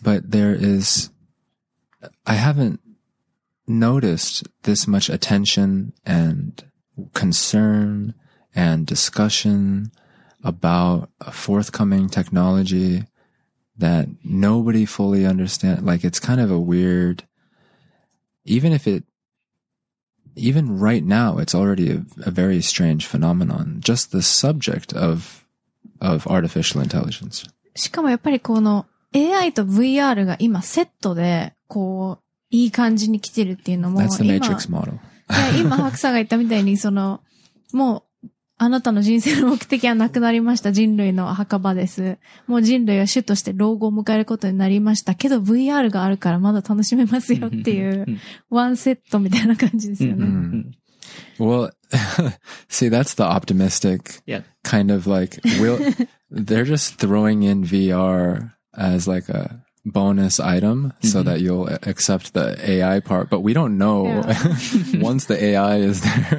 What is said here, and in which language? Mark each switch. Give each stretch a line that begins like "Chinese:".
English: But there is, I haven't noticed this much attention and concern and discussion about a forthcoming technology that nobody fully understands. Like it's kind of a weird, even if it, even right now, it's already a very strange phenomenon. Just the subject of artificial intelligence.
Japanese: しかもやっぱりこの AI と VR が今セットでこういい感じに来てるっていうのも
English: That's the Matrix model.
Japanese: 今ハクさんが言ったみたいにそのもうあなたの人生の目的はなくなりました。人類の墓場です。もう人類は主として老後を迎えることになりました。けど VR があるからまだ楽しめますよっていう、ワンセットみたいな感じですよね。 Mm-hmm.
English: Well, see, that's the optimistic kind of like, we'll, they're just throwing in VR as like a bonus item so that you'll accept the AI part, but we don't know once the AI is there.